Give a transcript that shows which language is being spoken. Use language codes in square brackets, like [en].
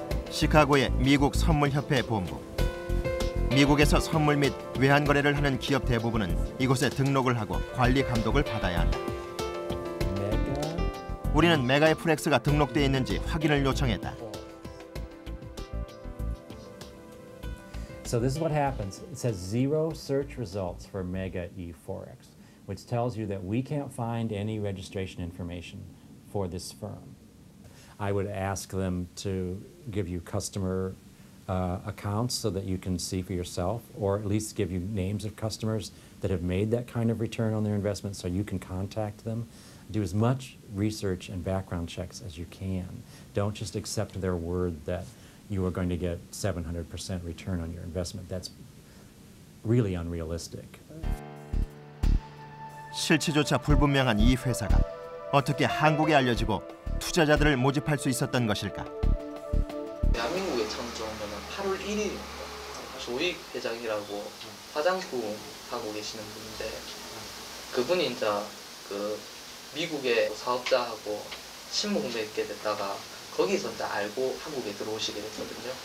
[ko] 시카고의 미국 선물협회 본부. 미국에서 선물 및 외환거래를 하는 기업 대부분은 이곳에 등록을 하고 관리 감독을 받아야 한다. 우리는 메가의 포렉스가 등록되어 있는지 확인을 요청했다. [en] So this is what happens. It says zero search results for Mega eForex, which tells you that we can't find any registration information for this firm. I would ask them to give you customer accounts so that you can see for yourself, or at least give you names of customers that have made that kind of return on their investment so you can contact them. Do as much research and background checks as you can. Don't just accept their word that you are going to get 700% return on your investment. That's really unrealistic. [ko] 실체조차 불분명한 이 회사가 어떻게 한국에 알려지고 투자자들을 모집할 수 있었던 것일까? 대한민국에 처음 들어오면 8월 1일입니다. 조익 회장이라고 화장품 하고 계시는 분인데 그분이 이제 그 미국의 사업자하고 친목을 맺게 됐다가 거기서 이제 알고 한국에 들어오시게 됐거든요.